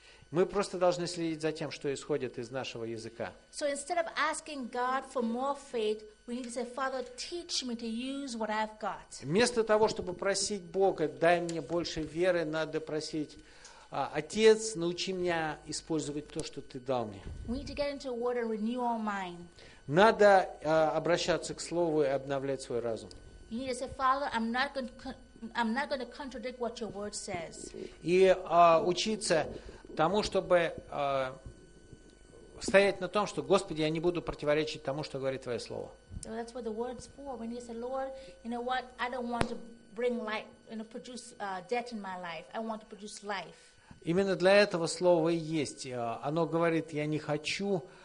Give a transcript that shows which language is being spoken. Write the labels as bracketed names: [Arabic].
[Russian] Мы просто должны следить за тем, что исходит из нашего языка. [English] So instead of asking God for more faith, we need to say, Father, teach me to use what I've got. [Russian] Вместо того, чтобы просить Бога, дай мне больше веры, надо просить, Отец, научи меня использовать то, что ты дал мне. [English] We need to get into the Word and renew our mind. [Russian] Надо обращаться к Слову и обновлять свой разум. [English] You need to say, Father, I'm not going to contradict what your Word says. [Russian] И учиться тому, чтобы стоять на том, что, Господи, я не буду противоречить тому, что говорит Твое Слово. [English] That's what the word's for. When you say, Lord, you know what? I don't want to bring light, you know, produce death in my life. I want to produce life. [Russian] Именно для этого Слово и есть. Оно говорит, я не хочу.